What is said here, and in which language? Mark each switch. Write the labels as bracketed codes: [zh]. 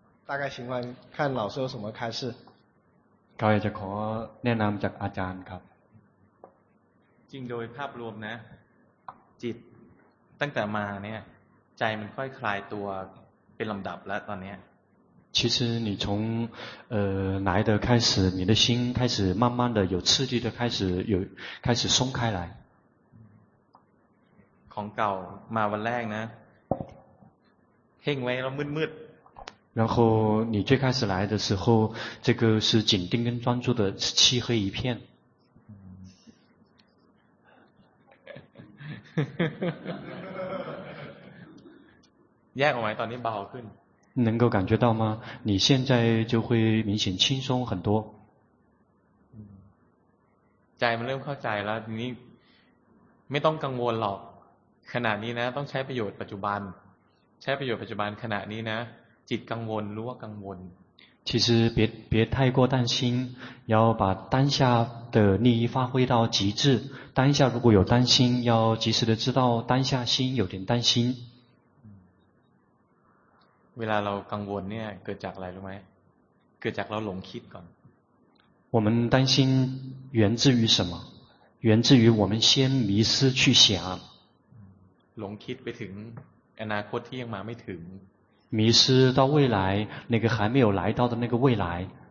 [zh] 大概情况看老师有什么开示 [th] เขาอยากจะขอแนะนำจากอาจารย์ครับ จริงโดยภาพรวมนะจิตตั้งแต่มาเนี่ยใจมันค่อยคลายตัวเป็นลำดับแล้วตอนนี้ [zh] 其实你从来的开始你的心开始慢慢的有刺激的开始松开来 [th] ของเก่ามาวันแรกนะเฮงไว้แล้วมืด [zh] ๆ然后你最开始来的时候这个是紧盯跟专注的是漆黑一片 [th] แยกออกไหมตอนนี้เบาขึ้น [zh] 能够感觉到吗？你现在就会明显轻松很多。 [th] ใจมันเริ่มเข้าใจแล้วนี่ไม่ต้องกังวลหรอกขนาดนี้นะต้องใช้ประโยชน์ปัจจุบัน ช้ประโยชน์ปัจจุบันขณะนี้นะจิตกังวลรู้ว่ากังวล [zh] 其实别太过担心要把当下的利益发挥到极致当下如果有担心要及时的知道当下心有点担心 [th] เวลาเรากังวลเนี่ยเกิดจากอะไรรู้ไหมเกิดจากเราหลงคิดก่อน [zh] 我们担心源自于什么源自于我们先迷失去想 [th] หลงคิดไปถึงอนาคตที่ยังมาไม่ถึง [zh] 迷失到未来那个还没有来到的那个未来